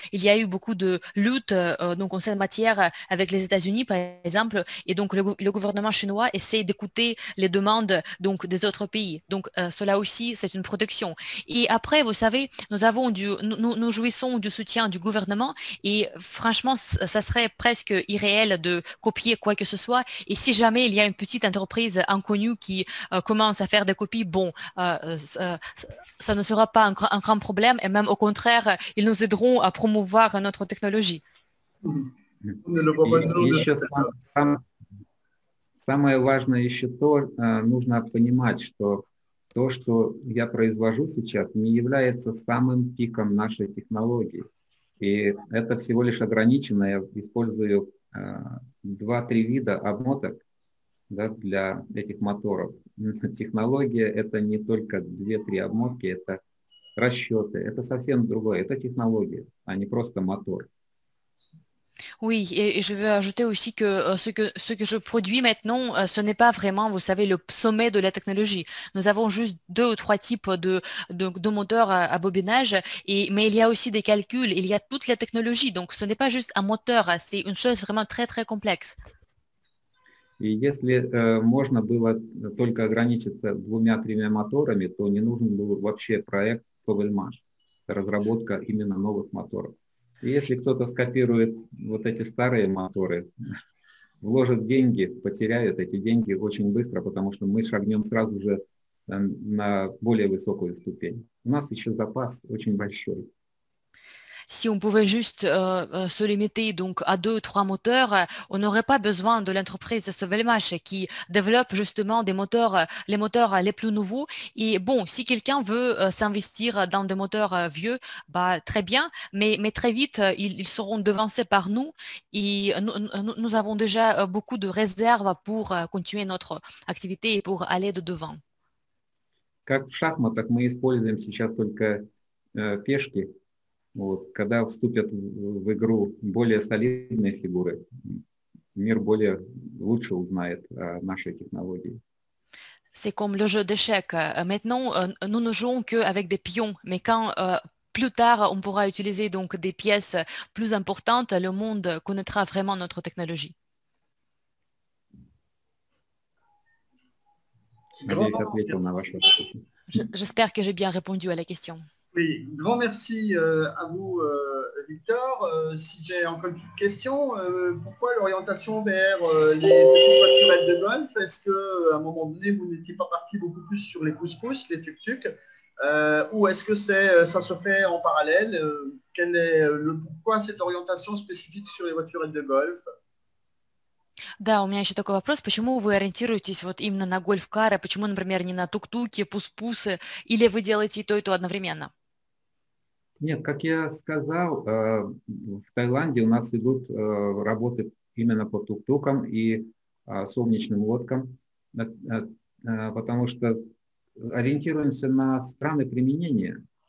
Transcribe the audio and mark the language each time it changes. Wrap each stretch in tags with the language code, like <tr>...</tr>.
<fr>Il y a eu beaucoup de lutte donc en cette matière avec les États-Unis par exemple et donc le gouvernement chinois essaie d'écouter les demandes donc des autres pays donc cela aussi c'est une protection et après vous savez nous avons nous jouissons du soutien du gouvernement et franchement ça serait presque irréel de copier quoi que ce soit et si jamais il y a une petite entreprise inconnue qui commence à faire des copies bon ça ne sera pas un grand problème et même au contraire ils nous aideront à promouvoir notre технологии.</fr> <ru>Еще самое важное еще то, нужно понимать, что то, что я произвожу сейчас, не является самым пиком нашей технологии. И это всего лишь ограничено. Я использую 2-3 вида обмоток, да, для этих моторов. Технология — это не только 2-3 обмотки, это расчеты. Это совсем другое. Это технология, а не просто мотор.</ru> <fr>Oui, et je veux ajouter aussi que ce que je produis maintenant, ce n'est pas vraiment, vous savez, le sommet de la technologie. Nous avons juste 2 ou 3 types de moteurs à bobinage, mais il y a aussi des calculs, il y a toute la technologie. Donc, ce n'est pas juste un moteur, c'est une chose vraiment très, très complexe.</fr> <ru>И если можно было только ограничиться 2-3 моторами, то не нужен был вообще проект Sovelmash, разработка именно новых моторов. И если кто-то скопирует вот эти старые моторы, вложит деньги, потеряют эти деньги очень быстро, потому что мы шагнем сразу же на более высокую ступень. У нас еще запас очень большой.</ru> <fr>Si on pouvait juste se limiter donc à deux ou trois moteurs, on n'aurait pas besoin de l'entreprise Sovelmash qui développe justement des moteurs, les moteurs les plus nouveaux. Et bon, si quelqu'un veut s'investir dans des moteurs vieux, bah très bien, mais très vite ils seront devancés par nous et nous avons déjà beaucoup de réserves pour continuer notre activité et pour aller de devant.</fr> <ru>Как в шахматах мы используем сейчас только пешки. Вот, когда вступят в игру более солидные фигуры, мир более лучше узнает о нашей технологии.</ru> <fr>C'est comme le jeu d'échecs. Maintenant, nous ne jouons qu'avec des pions, mais quand plus tard on pourra utiliser donc des pièces plus importantes, le monde connaîtra vraiment notre technologie.</fr> <ru>Надеюсь, ответил на ваш вопрос.</ru> <fr>J'espère que j'ai bien répondu à la question. Oui, grand merci à vous, Victor. Si j'ai encore une petite question, pourquoi l'orientation vers les voitures de golf? Est-ce qu'à un moment donné, vous n'étiez pas parti beaucoup plus sur les pousses-pousses, les tuk-tuks, ou est-ce que c'est, ça se fait en parallèle? Quel est le pourquoi cette orientation spécifique sur les voitures de golf?</fr> <ru>Да, у меня еще такой вопрос. Почему вы ориентируетесь вот именно на гольф-кары? Почему, например, не на тук-туки, пус-пусы? Или вы делаете и то одновременно? Нет, как я сказал, в Таиланде у нас идут работы именно по тук-тукам и солнечным лодкам, потому что ориентируемся на страны применения.</ru>